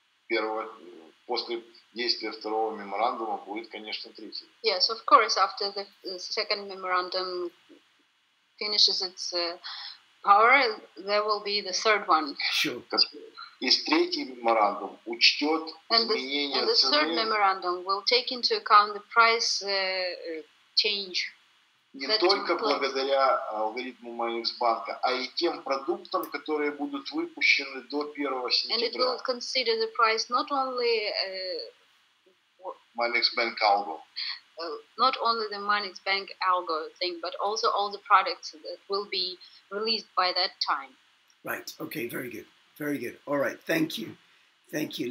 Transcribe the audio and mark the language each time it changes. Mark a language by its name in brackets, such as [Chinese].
[English] Yes, of course, after the second memorandum finishes its power, there will be the third one. Sure. And the third memorandum will take into account the price change. [Russian] Не that только благодаря алгоритму Minexbank'а, а и тем продуктам, которые будут выпущены до 1 сентября. [English] And it will consider the price not only Minexbank algo. Not only the Minexbank algo thing, but also all the products that will be released by that time. Right. Okay. Very good. Very good. All right. Thank you. Thank you.